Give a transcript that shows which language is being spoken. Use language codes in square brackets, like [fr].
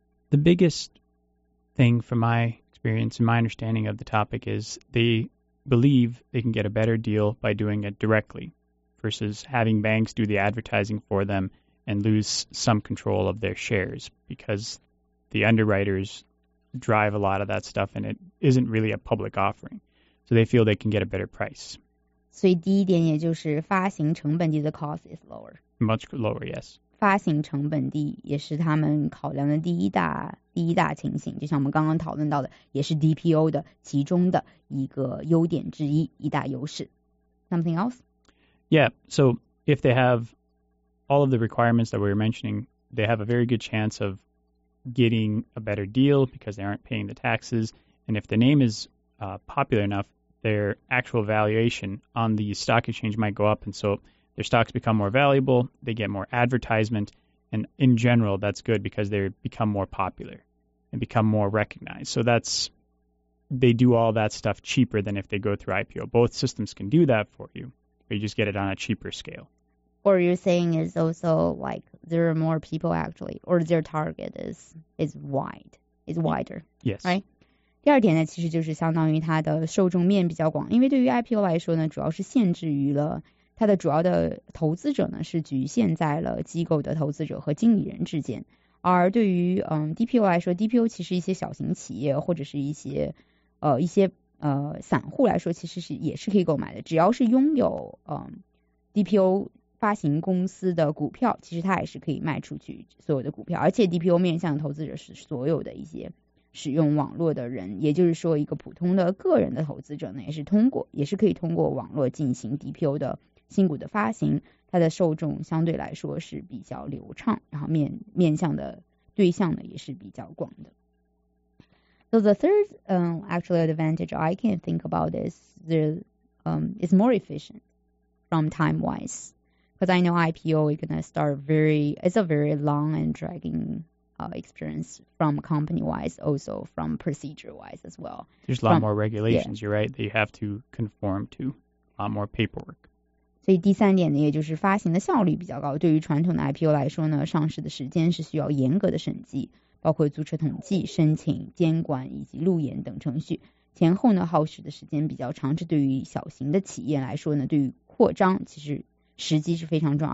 [en] The biggest thing from my experience and my understanding of the topic is they believe they can get a better deal by doing it directly versus having banks do the advertising for them and lose some control of their shares because the underwritersdrive a lot of that stuff and it isn't really a public offering. So they feel they can get a better price. [zh] 所以第一点也就是发行成本低 [en] the cost is lower. Much lower, yes. [zh] 发行成本低也是他们考量的第一大情形，就像我们刚刚讨论到的，也是 DPO 的其中的一个优点之一，一大优势。 [en] Something else? Yeah, so if they have all of the requirements that we were mentioning, they have a very good chance ofgetting a better deal because they aren't paying the taxes. And if the name is popular enough, their actual valuation on the stock exchange might go up. And so their stocks become more valuable, they get more advertisement. And in general, that's good because they become more popular and become more recognized. So that's, they do all that stuff cheaper than if they go through IPO. Both systems can do that for you, but you just get it on a cheaper scale. What you're saying is also like there are more people actually, or their target is wider. Yes. Right? [zh] 第二点呢，其实就是相当于它的受众面比较广，因为对于 IPO 来说呢，主要是限制于了它的主要的投资者呢，是局限在了机构的投资者和经理人之间。而对于DPO 来说，DPO 其实一些小型企业或者是一些散户来说，其实是也是可以购买的。只要是拥有DPO 发行公司的股票，其实它也是可以卖出去所有的股票。而且 DPO 面向投资者是所有的一些使用网络的人，也就是说，一个普通的个人的投资者呢，也是可以通过网络进行 DPO 的新股的发行。它的受众相对来说是比较流畅，然后面向的对象呢也是比较广的。 [en] So the third actually advantage I can think about is more efficient from time wise, because I know IPO is gonna start it's a very long and dragging experience from company wise, also from procedure wise as well. There's a lot more regulations, yeah. You're right, that you have to conform to, a lot more paperwork. [zh] 所以第三点呢，也就是发行的效率比较高。对于传统的 IPO 来说呢，上市的时间是需要严格的审计，包括注册统计、申请、监管以及路演等程序，前后呢耗时的时间比较长。这对于小型的企业来说呢，对于扩张其实时机是非常重要。